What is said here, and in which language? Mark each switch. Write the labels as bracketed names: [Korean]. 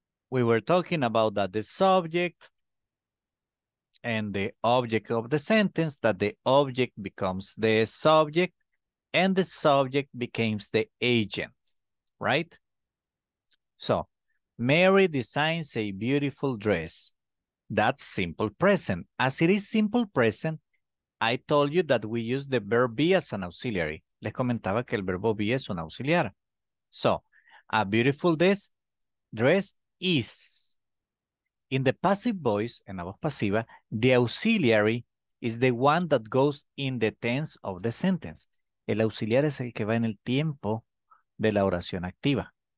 [English] We were talking about that the subject and the object of the sentence, that the object becomes the subject and the subject becomes the agent, right? So, Mary designs a beautiful dress. That's simple present. As it is simple present, I told you that we use the verb be as an auxiliary. [Spanish] Les comentaba que el verbo be es un auxiliar. [English] So, a beautiful dress is. In the passive voice, [Spanish] en la voz pasiva, [English] the auxiliary is the one that goes in the tense of the sentence. [Spanish] El auxiliar es el que va en el tiempo de la oración activa.